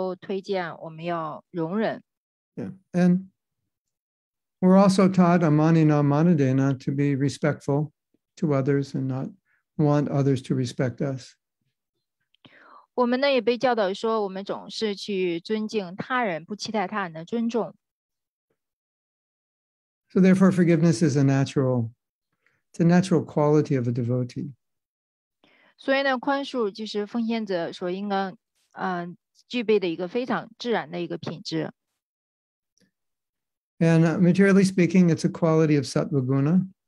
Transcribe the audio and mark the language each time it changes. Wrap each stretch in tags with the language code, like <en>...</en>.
<zh>在我们的书籍当中呢，有很多地方都推荐我们要容忍。</zh> <en>Yeah, and we're also taught</en> <sa>amanina manadena</sa> <en>to be respectful to others and not want others to respect us.</en> <zh>我们呢也被教导说，我们总是去尊敬他人，不期待他人的尊重。</zh> <en>So therefore, forgiveness is a natural quality of a devotee.</en> <zh>所以呢，宽恕就是奉献者所应该具备的一个非常自然的一个品质。</zh> <en>And materially speaking, it's a quality of sattva-guna.</en>